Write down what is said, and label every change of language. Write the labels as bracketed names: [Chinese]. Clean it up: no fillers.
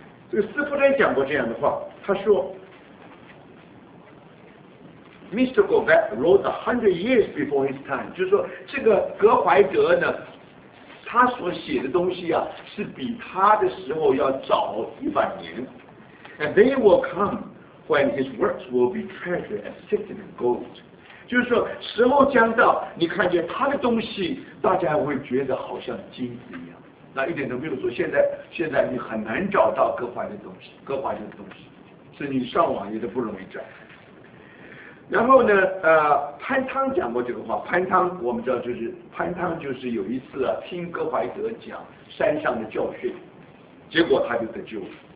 [Chinese] 这个斯夫人讲过这样的话，他说 ，Mr. [English] Govett wrote 100 years before his time， [Chinese] 就是说这个格怀德呢，他所写的东西啊，是比他的时候要早100年。 [English] And they will come when his works will be treasured as silver and gold。 [Chinese] 就是说，时候将到，你看见他的东西，大家会觉得好像金子一样。那一点都没有错。现在你很难找到格怀的东西，格怀的东西，所以你上网也都不容易找。然后呢，潘汤讲过这个话。潘汤我们知道，就是潘汤就是有一次啊，听格怀德讲山上的教训，结果他就得救了。